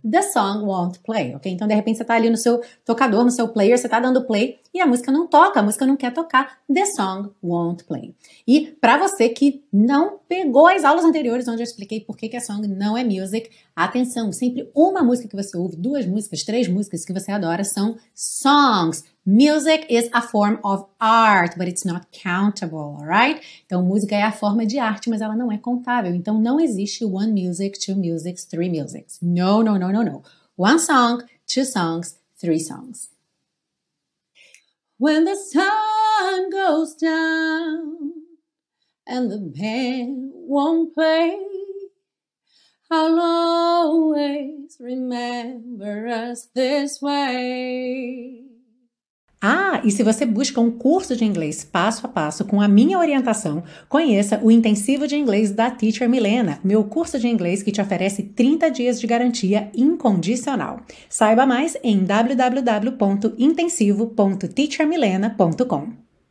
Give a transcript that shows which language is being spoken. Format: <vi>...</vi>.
<en>The song won't play,</en> <pt>ok? Então, de repente, você está ali no seu tocador, no seu player, você está dando play e a música não toca, a música não quer tocar.</pt> <en>The song won't play.</en> <pt>E para você que não pegou as aulas anteriores onde eu expliquei por que que a song não é music, atenção, sempre uma música que você ouve, duas músicas, três músicas que você adora são songs.</pt> <en>Music is a form of art, but it's not countable, alright?</en> <pt>Então, música é a forma de arte, mas ela não é contável. Então, não existe</pt> <en>one music, two musics, three musics. No, no, no, no, no. One song, two songs, three songs. When the sun goes down and the band won't play, I'll always remember us this way.</en> <pt>Ah, e se você busca um curso de inglês passo a passo com a minha orientação, conheça o Intensivo de Inglês da Teacher Milena, meu curso de inglês que te oferece 30 dias de garantia incondicional. Saiba mais em www.intensivo.teachermilena.com.</pt>